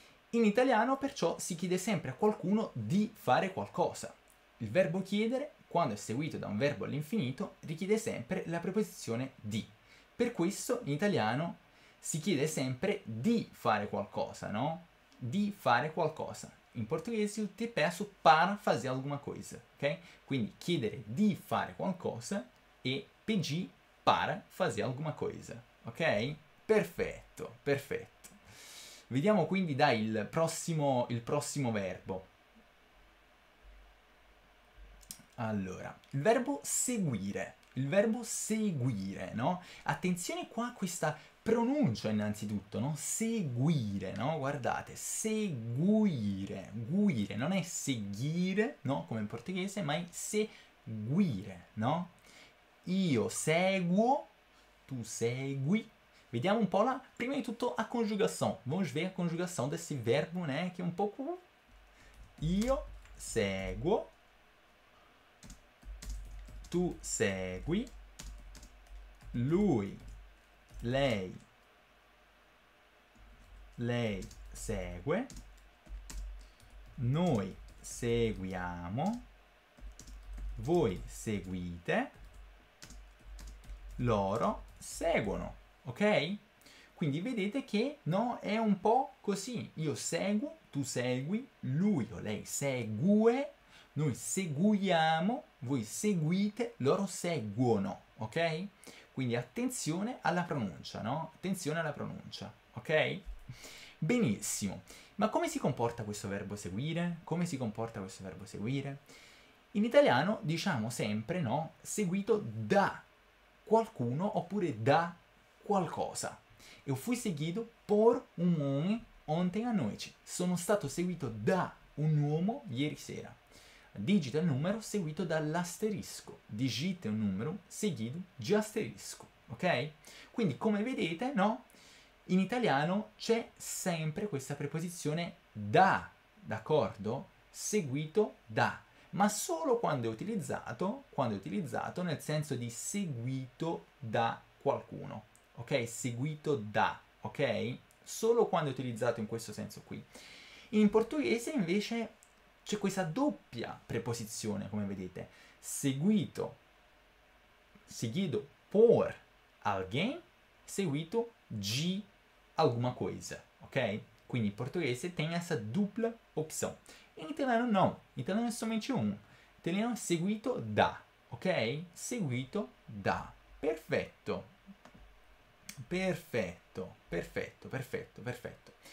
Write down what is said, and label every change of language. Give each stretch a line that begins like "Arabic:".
Italian: In italiano, perciò, si chiede sempre a qualcuno di fare qualcosa. Il verbo chiedere, quando è seguito da un verbo all'infinito, richiede sempre la preposizione di. Per questo in italiano si chiede sempre di fare qualcosa, no? Di fare qualcosa. In portoghese io ti
Portuguese: peço para fazer alguma coisa, ok?
Italian: Quindi chiedere di fare qualcosa e
Portuguese: pedir para fazer alguma coisa,
Italian: ok? Perfetto, perfetto. Vediamo quindi dai il prossimo verbo. Allora, il verbo seguire. Il verbo seguire, no? Attenzione qua a questa pronuncia innanzitutto, no? Seguire, no? Guardate, seguire, guire, non è seguire, no? Come in portoghese, ma è seguire, no? Io seguo, tu segui. Vediamo un po' la, prima di tutto,
Portuguese: a conjugação. Vamos ver a conjugação desse verbo, né? Que é um pouco.
Italian: Io seguo. Tu segui, lui, lei segue, noi seguiamo, voi seguite, loro seguono, ok? Quindi vedete che no, è un po' così. Io seguo, tu segui, lui o lei segue. Noi seguiamo, voi seguite, loro seguono, ok? Quindi attenzione alla pronuncia, no? Attenzione alla pronuncia, ok? Benissimo. Ma come si comporta questo verbo seguire? Come si comporta questo verbo seguire? In italiano diciamo sempre, no? Seguito da qualcuno oppure da qualcosa.
Portuguese: Eu fui seguido por um homem ontem à noite.
Italian: Sono stato seguito da un uomo ieri sera. Digita il numero seguito dall'asterisco. Digita un numero seguito di asterisco, ok? Quindi, come vedete, no? In italiano c'è sempre questa preposizione da, d'accordo? Seguito da, ma solo quando è utilizzato nel senso di seguito da qualcuno, ok? Seguito da, ok? Solo quando è utilizzato in questo senso qui. In portoghese, invece, c'è questa doppia preposizione, come vedete, seguito,
Portuguese: seguido por alguém, seguito de alguma coisa,
Italian: ok? Quindi in portoghese
Portuguese: tem essa dupla opção.
Italian: In italiano no, in italiano è
Portuguese: somente
Italian: un. In italiano è seguito da, ok? Seguito da. Perfetto. Perfetto, perfetto, perfetto, perfetto.